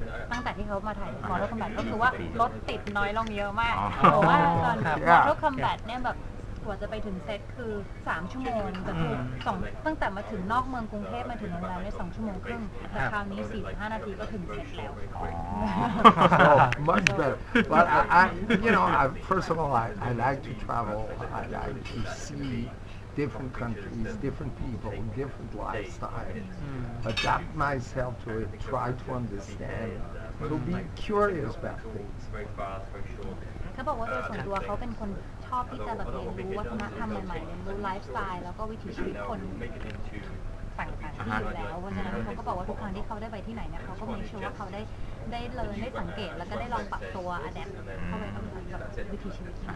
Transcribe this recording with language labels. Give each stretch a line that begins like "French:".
Thai: ตั้งแต่ที่เขามาถ่ายMortal Kombatก็คือว่ารถติดน้อยลงเยอะมากเพราะว่าตอนMortal Kombatเนี่ยแบบกว่าจะไปถึงเซตคือ3ชั่วโมงแต่คือ2ตั้งแต่มาถึงนอกเมืองกรุงเทพมาถึงโรงแรมได้2ชั่วโมงครึ่งแต่คราวนี้45นาทีก็ถึงเซตแล้ว
English: oh, much better but I you know I first of all I like to travel I like to seeDifferent countries, different people, different lifestyles. Adapt myself to it, try to understand. So be curious about things.
Thai: เขาบอกว่าโดยส่วนตัวเขาเป็นคนชอบที่จะแบบเรียนรู้วัฒนธรรมใหม่ๆเรียนรู้ไลฟ์สไตล์แล้วก็วิถีชีวิตคนต่างๆที่อยู่แล้วเพราะฉะนั้นเขาก็บอกว่าทุกครั้งที่เขาได้ไปที่ไหนเนี่ยเขาก็มีชัวร์ว่าเขาได้ ได้เลยได้สังเกตแล้วก็ได้ลองปรับตัวอะแดปเข้าไปกับวิธีชีวิต